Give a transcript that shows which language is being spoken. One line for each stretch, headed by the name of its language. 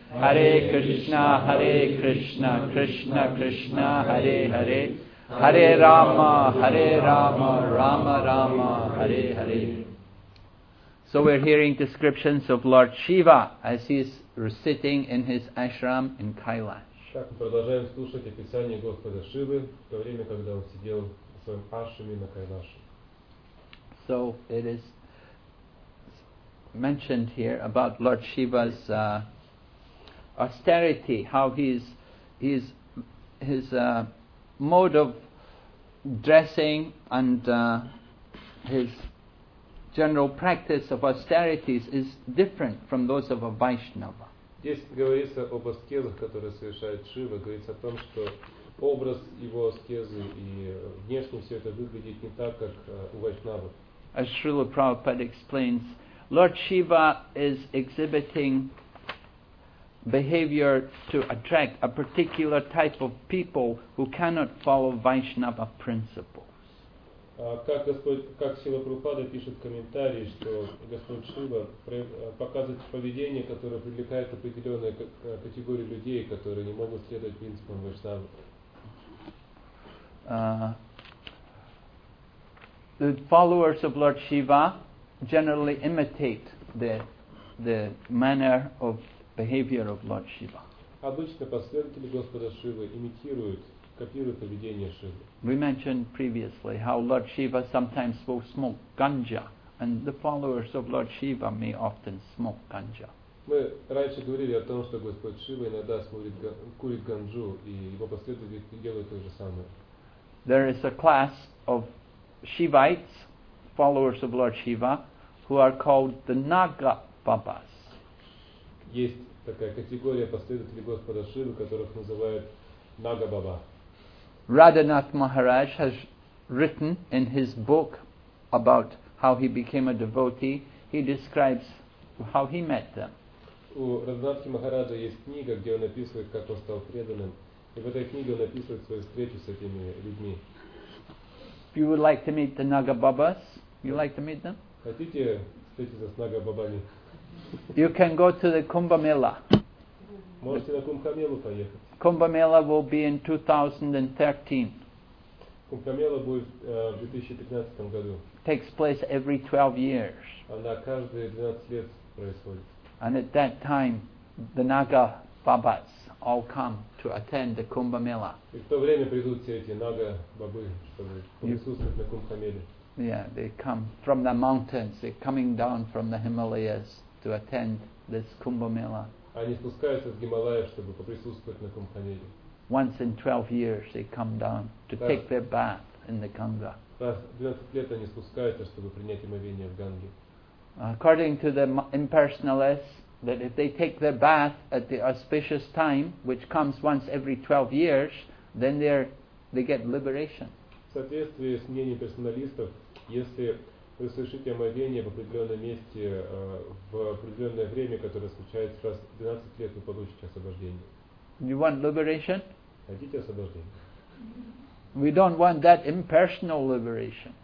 Sanskrit: Hare Krishna, Hare Krishna, Krishna Krishna, Hare Hare, Hare Rama, Rama Rama, Hare Hare.
English: So we're hearing descriptions of Lord Shiva as he is sitting in his ashram in Kailash.
Russian: Так мы продолжаем слушать описание Господа Шивы в то время, когда он сидел в своем ашраме на Кайлаше.
English: So it is mentioned here about Lord Shiva's austerity, how his mode of dressing and his general practice of austerities is different from those of a Vaishnava.
Russian: Здесь говорится об аскезах, которые совершает Шива, говорится о том, что образ его аскезы и внешне все это выглядит не так, как у Вайшнавы.
English: As Srila Prabhupada explains, Lord Shiva is exhibiting behavior to attract a particular type of people who cannot follow Vaishnava principles.
Russian: Как Шрила Прабхупада пишет комментарии, что Господь Шива показывает поведение, которое привлекает определенную категорию людей, которые не могут следовать принципам Вайшнавы.
English: The followers of Lord Shiva generally imitate the manner of behavior of Lord Shiva.
Russian: Обычно последователи Господа Шивы имитируют, копируют поведение Шивы.
English: We mentioned previously how Lord Shiva sometimes will smoke ganja, and the followers of Lord Shiva may often smoke ganja.
Russian: Мы раньше говорили о том, что Господь Шива иногда курит ганджу, и его последователи делают то же самое.
English: There is a class of Shivites, followers of Lord Shiva, who are called the Naga Babas.
Russian: Есть такая категория последователей Господа Шивы, которых называют Нагабаба.
English: Radhanath Maharaj has written in his book about how he became a devotee. He describes how he met them.
Russian: У Радханатхи Махараджа есть книга, где он описывает, как он стал преданным. И в этой книге он описывает свою встречу с этими людьми.
English: If you would like to meet the Nagababas, you like to meet them?
Russian: Хотите встретиться с Нагабабами?
English: You can go to the Kumbh Mela.
Russian: Можете на Кумбха Мелу поехать.
English: Kumbh Mela will be in 2013.
Russian: Кумбха Мела будет в 2013 году.
English: Takes place every 12 years.
Russian: Она каждые 12 лет происходит.
English: And at that time, the Naga Babas all come to attend the Kumbh Mela.
Russian: И в то время придут все эти Нага Бабы, чтобы присутствовать на Кумбха Меле.
English: Yeah, they come from the mountains. They're coming down from the Himalayas to attend this Kumbh Mela.
Russian: Они спускаются с Гималаев, чтобы поприсутствовать на Кумбх Меле.
English: Once in 12 years they come down to take their bath in the Ganga.
Russian: Раз в 12 лет они спускаются, чтобы принять омовение в Ганге.
English: According to the impersonalists, that if they take their bath at the auspicious time, which comes once every 12 years, then they get liberation.
Russian: В соответствии с мнением персоналистов, если вы совершите омовение в определенном месте в определенное время, которое случается раз в 12 лет, вы получите освобождение.
English: You want liberation?
Russian: Хотите освобождение?
English: We don't want that impersonal liberation.